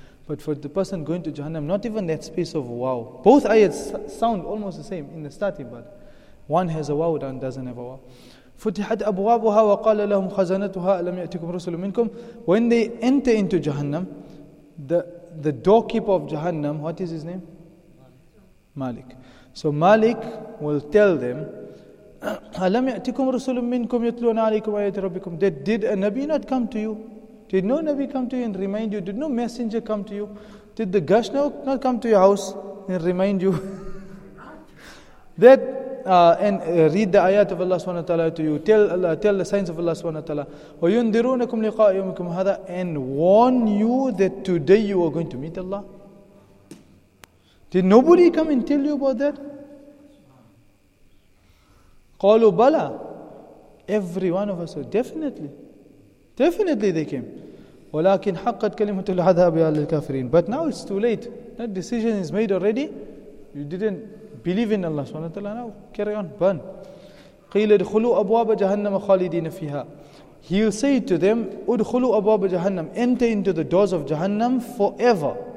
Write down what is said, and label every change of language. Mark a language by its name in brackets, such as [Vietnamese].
[English] But for the person going to Jahannam, not even that space of wow. Both ayats sound almost the same in the starting, but one has a wow, the other doesn't have a wow. [Arabic] فُتِحَتْ أَبْوَابُهَا وَقَالَ لَهُمْ خَزَنَتُهَا أَلَمْ يَأْتِكُمْ رُسُلٌ مِنْكُمْ. [English] When they enter into Jahannam, the doorkeeper of Jahannam, what is his name? Malik. So Malik will tell them, [Arabic] أَلَمْ يَأْتِكُمْ رُسُلٌ مِنْكُمْ يَتْلُونَ عَلَيْكُمْ آيَاتِ رَبِّكُمْ. [English] Did a Nabi not come to you? Did no Nabi come to you and remind you? Did no messenger come to you? Did the Gashna not come to your house and remind you? That read the ayat of Allah subhanahu wa ta'ala to you. Tell the signs of Allah subhanahu wa ta'ala. [Arabic] وَيُنْدِرُونَكُمْ لِقَاءَ يَوْمِكُمْ هَذَا [English] And warn you that today you are going to meet Allah. Did nobody come and tell you about that? [Arabic] قَالُوا بَلَى [English] Every one of us said, definitely. Definitely they came. [Arabic] وَلَكِنْ حَقَّتْ كَلِمَةُ الْعَذَابِ عَلَى الْكَافِرِينَ [English] But now it's too late. That decision is made already. You didn't believe in Allah subhanahu wa ta'ala. Now carry on, burn. [Arabic] قِيلَ ادْخُلُوا أَبْوَابَ جَهَنَّمَ خَالِدِينَ فِيهَا [English] He'll say to them, [Arabic] ادْخُلُوا أَبْوَابَ جَهَنَّمَ [English] Enter into the doors of Jahannam forever.